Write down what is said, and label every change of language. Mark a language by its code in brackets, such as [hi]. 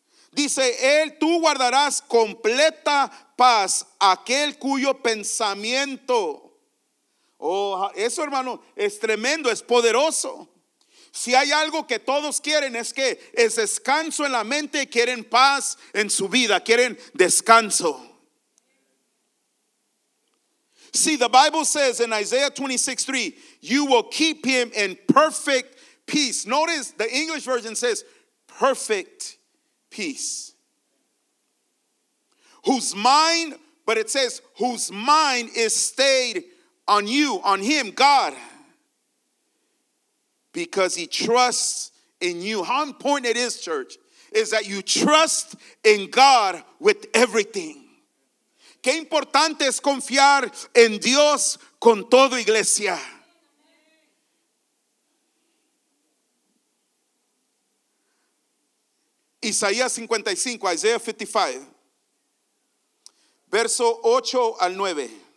[es] Dice Él, tú guardarás completa paz aquel cuyo pensamiento. Oh, eso, hermano, es tremendo, es poderoso. Si hay algo que todos quieren es que es descanso en la mente, quieren paz en su vida, quieren descanso. [en] See, the Bible says in Isaiah 26:3, you will keep him in perfect peace. Notice the English version says perfect peace. Whose mind, but it says whose mind is stayed on you, on him, God. Because he trusts in you. How important it is, church, is that you trust in God with everything. [es] Qué importante es confiar en Dios con todo, iglesia. Isaías 55, Isaiah 55, verso 8 al 9.